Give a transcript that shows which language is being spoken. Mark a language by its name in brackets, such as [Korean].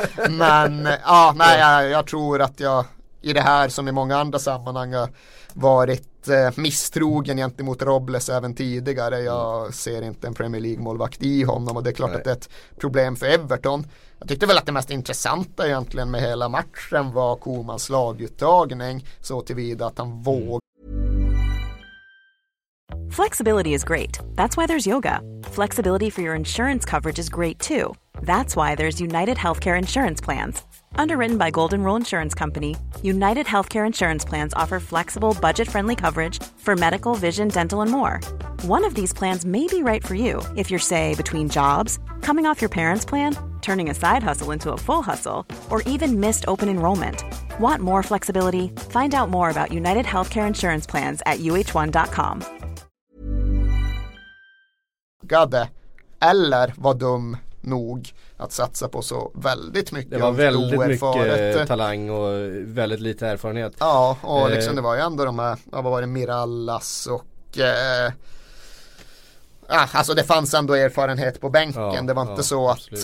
[Swedish] Men ja, nej, jag tror att jag i det här som i många andra sammanhang har varit misstrogen gentemot Robles även tidigare. Jag ser inte en Premier League-målvakt i honom, och det är klart att det är ett problem för Everton. Jag tyckte väl att det mest intressanta egentligen med hela matchen var Komans laguttagning, så tillvida att han vågade. [English] Flexibility is great. That's why there's yoga. Flexibility for your insurance coverage is great too. That's why there's United Healthcare Insurance Plans. Underwritten by Golden Rule Insurance Company, United Healthcare Insurance Plans offer flexible, budget-friendly coverage for medical, vision, dental, and more. One of these plans may be right for you if you're, say, between jobs, coming off your parents' plan, turning a side hustle into a full hustle, or even missed open enrollment. Want more flexibility? Find out more about United Healthcare Insurance Plans at uh1.com. [Swedish] Gadde, eller var dum nog att satsa på så väldigt mycket. Det var väldigt mycket talang och väldigt lite erfarenhet. Ja, och liksom det var ju ändå de här, vad var det, Mirallas och alltså det fanns ändå erfarenhet på bänken. Ja, det var inte så att absolut.